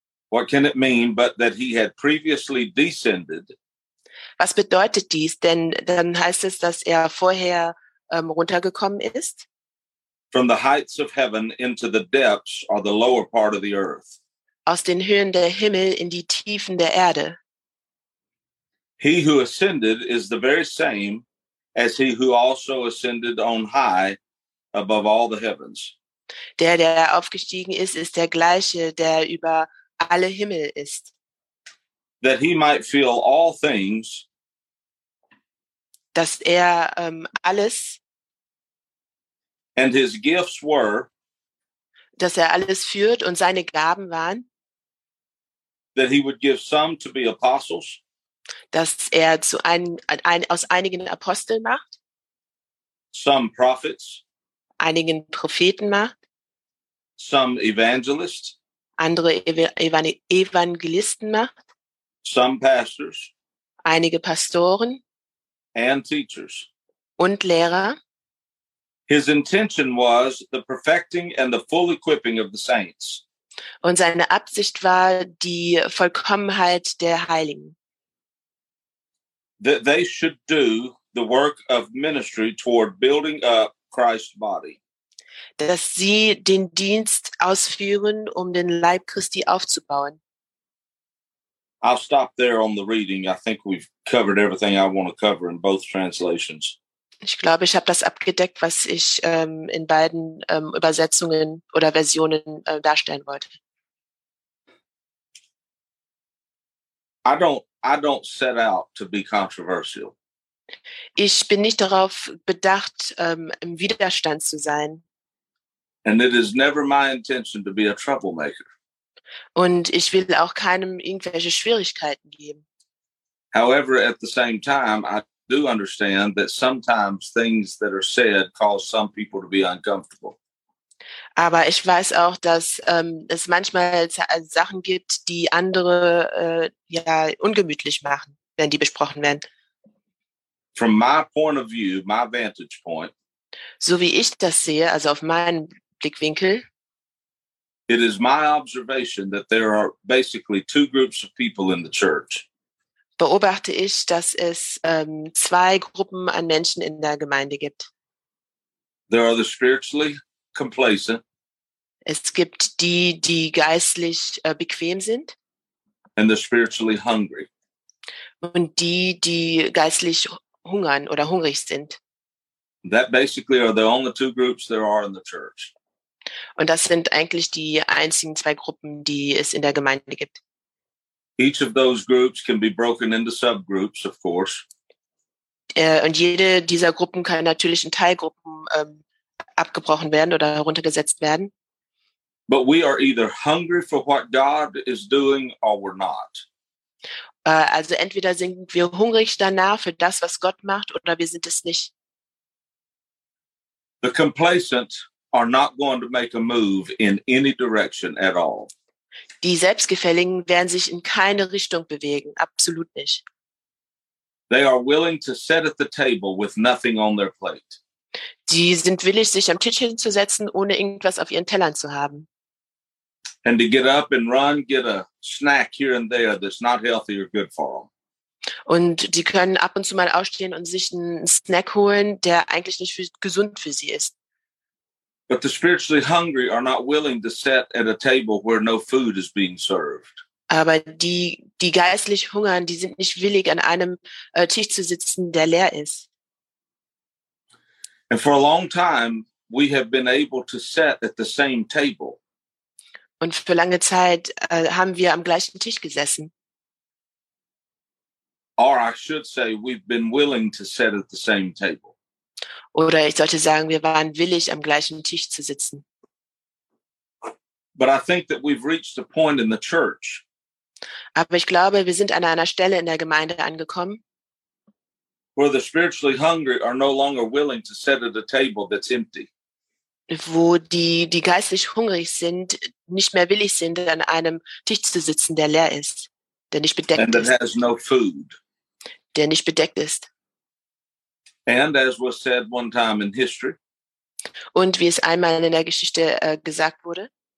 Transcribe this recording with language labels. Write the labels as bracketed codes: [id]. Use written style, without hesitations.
[en] What can it mean but that he had previously descended? [de] Was bedeutet dies? Denn dann heißt es, dass er vorher runtergekommen ist. [en] From the heights of heaven into the depths or the lower part of the earth. [de] Aus den Höhen der Himmel in die Tiefen der Erde. [en] He who ascended is the very same as he who also ascended on high above all the heavens. [de] Der aufgestiegen ist, ist der gleiche, der über alle Himmel ist. [en] That he might fill all things. [de] Dass er alles. [en] And his gifts were, [de] dass er alles führt und seine Gaben waren, [en] that he would give some to be apostles, [de] dass er zu aus einigen Aposteln macht, [en] some prophets, [de] einigen Propheten macht, [en] some evangelists, [de] andere Evangelisten macht, [en] some pastors, [de] einige Pastoren, [en] and teachers, [de] und Lehrer. [en] His intention was the perfecting and the full equipping of the saints. [de] Und seine Absicht war die Vollkommenheit der Heiligen. [en] That they should do the work of ministry toward building up Christ's body. [de] Dass sie den Dienst ausführen, um den Leib Christi aufzubauen. [en] I'll stop there on the reading. I think we've covered everything I want to cover in both translations. [de] Ich glaube, ich habe das abgedeckt, was ich in beiden Übersetzungen oder Versionen darstellen wollte. [en] I don't set out to be controversial. [de] Ich bin nicht darauf bedacht, im Widerstand zu sein. [en] And it is never my intention to be a troublemaker. [de] Und ich will auch keinem irgendwelche Schwierigkeiten geben. [en] However, at the same time, I do understand that sometimes things that are said cause some people to be uncomfortable. [de] Aber ich weiß auch, dass es manchmal Sachen gibt, die andere ungemütlich machen, wenn die besprochen werden. [en] From my point of view, my vantage point. [de] So wie ich das sehe, also auf meinem Blickwinkel. [en] It is my observation that there are basically two groups of people in the church. [de] Beobachte ich, dass es zwei Gruppen an Menschen in der Gemeinde gibt. [en] There are the spiritually complacent. [de] Es gibt die, die geistlich bequem sind. [en] And the spiritually hungry. [de] Und die, die geistlich hungern oder hungrig sind. [en] That basically are the only two groups there are in the church. [de] Und das sind eigentlich die einzigen zwei Gruppen, die es in der Gemeinde gibt. [en] Each of those groups can be broken into subgroups, of course. [de] Und jede dieser Gruppen kann natürlich in Teilgruppen abgebrochen werden oder heruntergesetzt werden. [en] But we are either hungry for what God is doing or we're not. [de] Also entweder sind wir hungrig danach für das, was Gott macht, oder wir sind es nicht. [en] The complacent are not going to make a move in any direction at all. [de] Die Selbstgefälligen werden sich in keine Richtung bewegen, absolut nicht. [en] They are willing to sit at the table with nothing on their plate. [de] Die sind willig, sich am Tisch hinzusetzen, ohne irgendwas auf ihren Tellern zu haben. [en] And to get up and run, get a snack here and there that's not healthy or good for them. [de] Und die können ab und zu mal aufstehen und sich einen Snack holen, der eigentlich nicht gesund für sie ist. [en] But the spiritually hungry are not willing to sit at a table where no food is being served. [de] Aber die geistlich hungern, die sind nicht willig, an einem Tisch zu sitzen, der leer ist. [en] And for a long time, we have been able to sit at the same table. [de] Und für lange Zeit haben wir am gleichen Tisch gesessen. [en] Or I should say, we've been willing to sit at the same table. [de] Oder ich sollte sagen, wir waren willig, am gleichen Tisch zu sitzen. [en] But I think that we've reached a point in the church. [de] Aber ich glaube, wir sind an einer Stelle in der Gemeinde angekommen, [en] where the spiritually hungry are no longer willing to sit at a table that's empty. [de] Wo die geistlich hungrig sind, nicht mehr willig sind, an einem Tisch zu sitzen, der leer ist, der nicht bedeckt ist. [en] And that has no food. [de] Der nicht bedeckt ist. [en] And as was said one time in history. [de] Und wie es einmal in der Geschichte gesagt wurde.